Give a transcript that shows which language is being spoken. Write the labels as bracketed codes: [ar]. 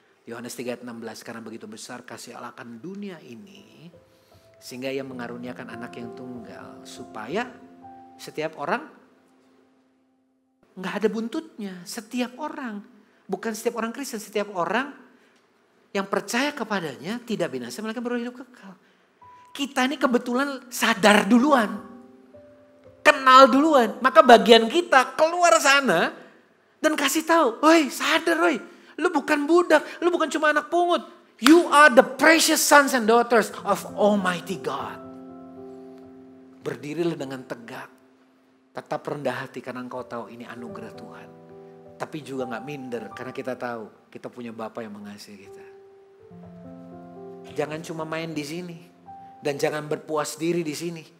[id] Yohanes 3:16, karena begitu besar kasih Allah akan dunia ini sehingga Ia mengaruniakan anak yang tunggal supaya setiap orang enggak ada buntutnya, setiap orang, bukan setiap orang Kristen, setiap orang yang percaya kepadanya tidak binasa melainkan beroleh hidup kekal. Kita ini kebetulan sadar duluan, kenal duluan, maka bagian kita keluar sana dan kasih tahu, "Woi, sadar, woi. Lu bukan budak, lu bukan cuma anak pungut. [en] You are the precious sons and daughters of Almighty God." [id] Berdirilah dengan tegak. Tetap rendah hati karena engkau tahu ini anugerah Tuhan. Tapi juga enggak minder karena kita tahu kita punya Bapa yang mengasihi kita. Jangan cuma main di sini dan jangan berpuas diri di sini.